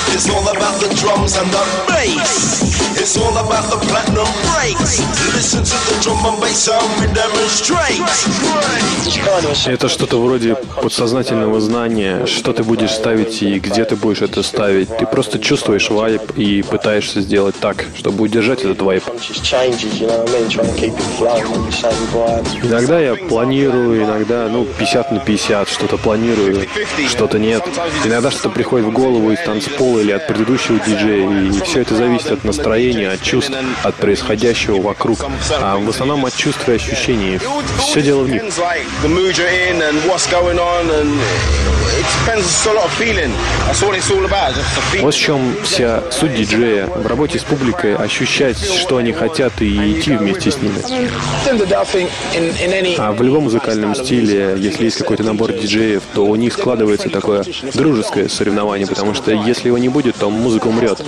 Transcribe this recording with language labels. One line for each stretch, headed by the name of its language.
English: It's all about the drums and the bass. It's all about the platinum breaks. Listen to the drum and bass sound we demonstrate.
Russian: Это что-то вроде подсознательного знания, что ты будешь ставить и где ты будешь это ставить. Ты просто чувствуешь вайб и пытаешься сделать так, чтобы удержать этот вайб. Иногда я планирую, иногда, 50 на 50, что-то планирую, что-то нет. Иногда что-то приходит в голову из танцпола или от предыдущего диджея, и все это зависит от настроения, от чувств, от происходящего вокруг, а в основном от чувств и ощущений. Все дело в них.
English: The mood you're in and what's going on, and it depends on a lot of feeling. That's all it's all about. Just the feeling.
Russian: Вот в чем вся суть диджея в работе с публикой: ощущать, что они хотят, и идти вместе с ними. А в любом музыкальном стиле, если есть какой-то набор диджеев, то у них складывается такое дружеское соревнование, потому что если его не будет, то музыка умрет.